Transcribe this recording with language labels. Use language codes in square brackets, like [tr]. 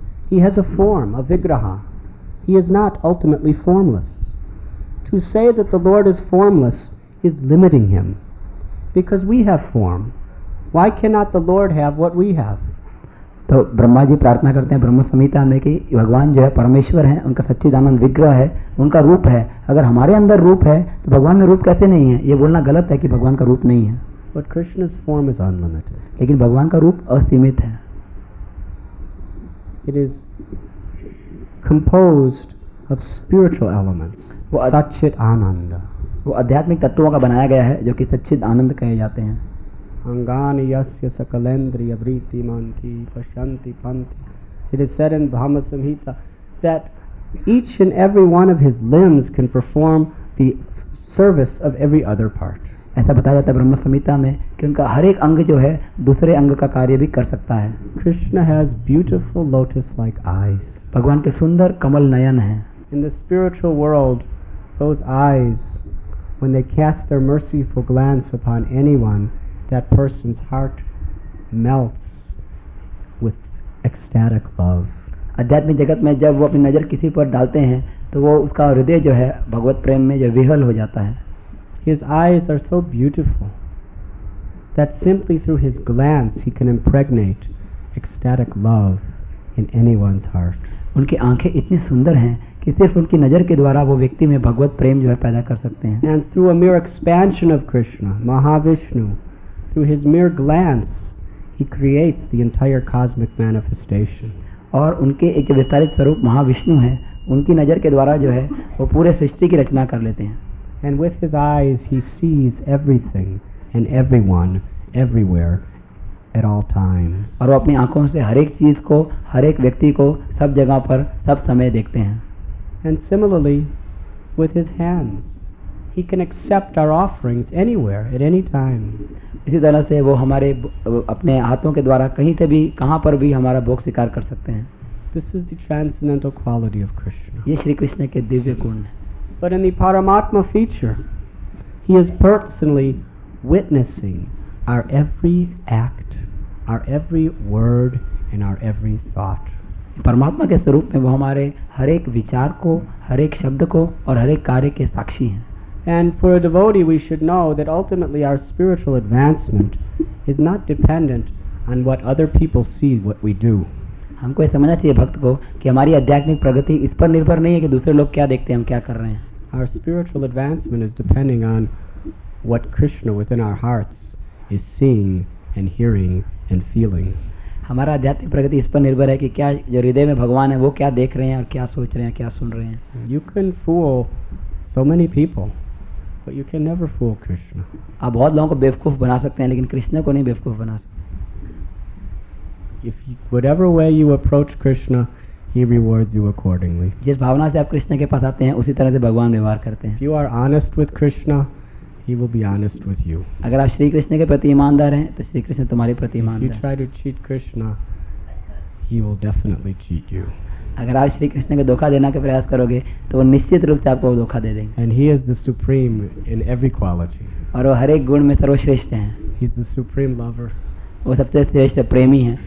[en] He has a form, a Vigraha. He is not ultimately formless. To say that the Lord is formless is limiting him. Because we have form, why cannot the Lord have what we have? [hi] तो ब्रह्मा जी प्रार्थना करते हैं ब्रह्म संहिता में कि भगवान जो है परमेश्वर हैं उनका सच्चिदानंद विग्रह है उनका रूप है अगर हमारे अंदर रूप है तो भगवान में रूप कैसे नहीं है ये बोलना गलत है कि भगवान का रूप नहीं है. [en] But Krishna's form is unlimited. [hi] लेकिन भगवान का रूप असीमित है. [en] It is composed of spiritual elements. Sachit Ananda. [hi] वो आध्यात्मिक तत्वों का बनाया गया है जो कि सच्चिद आनंद कहे जाते हैं. [sa] अंगानि यस्य सकलेन्द्रिय वृत्तिमान्ति पश्यन्ति पन्ति. [en] It is said in Brahma Samhita that each and every one of his limbs can perform the service of every other part. [hi] ऐसा बताया जाता है ब्रह्म संहिता में कि उनका हर एक अंग जो है दूसरे अंग का कार्य भी कर सकता है. [en] Krishna has beautiful lotus-like eyes. [hi] भगवान के सुंदर कमल नयन हैं. [en] In the spiritual world, those eyes, when they cast their merciful glance upon anyone, that person's heart melts with ecstatic love. [hi] अध्यात्मिक जगत में जब वो अपनी नज़र किसी पर डालते हैं तो वो उसका हृदय जो है भगवत प्रेम में जो विह्वल हो जाता है. [en] His eyes are so beautiful that simply through his glance he can impregnate ecstatic love in anyone's heart. [hi] उनकी आंखें इतनी सुंदर हैं कि सिर्फ उनकी नज़र के द्वारा वो व्यक्ति में भगवत प्रेम जो है पैदा कर सकते हैं. [en] And through a mere expansion of Krishna, Mahavishnu, through his mere glance, he creates the entire cosmic manifestation. [hi] और उनके एक विस्तारित स्वरूप महाविष्णु हैं उनकी नज़र के द्वारा जो है वो पूरे सृष्टि की रचना कर लेते हैं. [en] And with his eyes, he sees everything and everyone, everywhere, at all times. [hi] और वो अपनी आँखों से हर एक चीज़ को हर एक व्यक्ति को सब जगह पर सब समय देखते हैं. [en] And similarly, with his hands, he can accept our offerings anywhere at any time. [hi] इसी तरह से वो हमारे अपने हाथों के द्वारा कहीं से भी कहां पर भी हमारा भोग स्वीकार कर सकते हैं. [en] This is the transcendental quality of Krishna. [hi] ये श्री कृष्ण के दिव्य गुण है. [en] But in the Paramatma feature, he is personally witnessing our every act, our every word and our every thought. [hi] परमात्मा के स्वरूप में वो हमारे हर एक विचार को हर एक शब्द को और हर एक कार्य के साक्षी हैं. [en] And for a devotee, we should know that ultimately our spiritual advancement is not dependent on what other people see what we do. [hi] हमको ये समझना चाहिए भक्त को कि हमारी आध्यात्मिक प्रगति इस पर निर्भर नहीं है कि दूसरे लोग क्या देखते हैं हम क्या कर रहे हैं. [en] Our spiritual advancement is depending on what Krishna within our hearts is seeing and hearing and feeling. [hi] हमारा आध्यात्मिक प्रगति इस पर निर्भर है कि क्या जो हृदय में भगवान है वो क्या देख रहे हैं और क्या सोच रहे हैं क्या सुन रहे हैं. [en] You can fool so many people but you can never fool Krishna. [hi] आप बहुत लोगों को बेवकूफ बना सकते हैं लेकिन कृष्णा को नहीं बेवकूफ बना सकते. [en] If you, whatever way you approach Krishna, he rewards you accordingly. [hi] जिस भावना से आप कृष्णा के पास आते हैं उसी तरह से भगवान व्यवहार करते हैं. [en] If you are honest with Krishna, he will be honest with you. [hi] अगर आप श्री कृष्ण के प्रति ईमानदार हैं तो श्री कृष्ण तुम्हारे प्रति ईमानदार. [en] If you try to cheat Krishna, he will definitely cheat you. [hi] अगर आप श्री कृष्ण को धोखा देने का प्रयास करोगे तो वो निश्चित रूप से आपको धोखा दे देंगे. [en] And he is the supreme in every quality. [hi] और वो हर एक गुण में सर्वश्रेष्ठ हैं. [en] He is the supreme lover. [hi] वो सबसे श्रेष्ठ प्रेमी हैं.